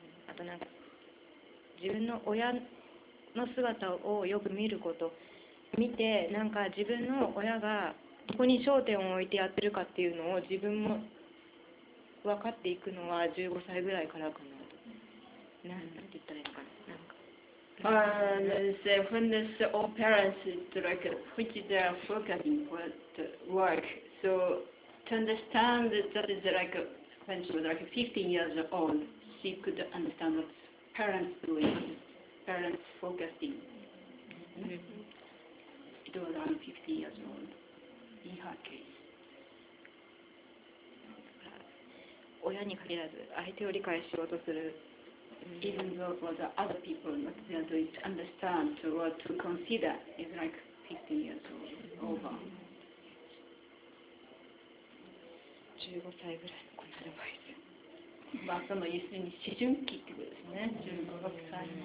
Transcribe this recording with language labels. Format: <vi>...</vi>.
<ja>あとなんか自分の親の姿をよく見ること。見て、なんか自分の親がどこに焦点を置いてやってるかっていうのを自分も分かっていくのは15歳ぐらいからかなと。なんて言ったらいいのかな、なんか。</ja> <en>When the old parents like put their focus in work, so to understand that is like when she was like 15 years old, she could understand what parents doing, parents focusing. Do around 50 years old. In her case,</en> <ja>親に限らず相手を理解しようとする。</ja> <en>Even though for the other people, what they are doing to understand or to consider is like 15 years old. Over.</en> <ja>15歳ぐらいのこのアドバイス。まあその要するに思春期ってことですね。</ja>